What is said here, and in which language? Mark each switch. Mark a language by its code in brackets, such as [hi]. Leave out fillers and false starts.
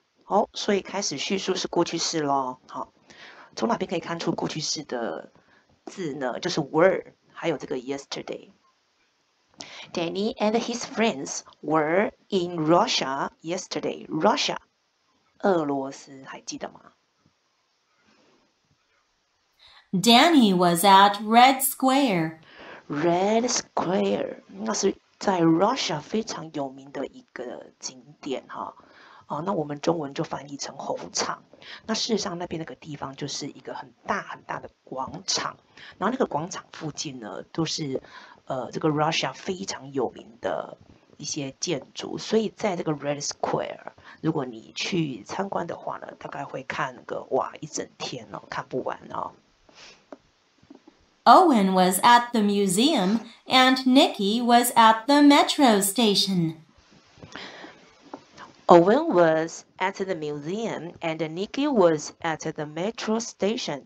[zh] 好，所以开始叙述是过去式咯。好，从哪边可以看出过去式的字呢？就是 were， 还有这个 yesterday。 [en] Danny and his friends were in Russia yesterday. [zh] Russia, 俄罗斯，还记得吗？ [en] Danny was at Red Square. [zh] Red Square, 那是在 Russia 非常有名的一个景点哈。那我们中文就翻译成红场。那事实上那边那个地方就是一个很大很大的广场，然后那个广场附近呢都是这个 Russia 非常有名的一些建筑，所以在这个 Red Square， 如果你去参观的话呢，大概会看个哇一整天哦，看不完哦。 [en] Owen was at the museum and Nikki was at the metro station. Owen was at the museum and Nikki was at the metro station.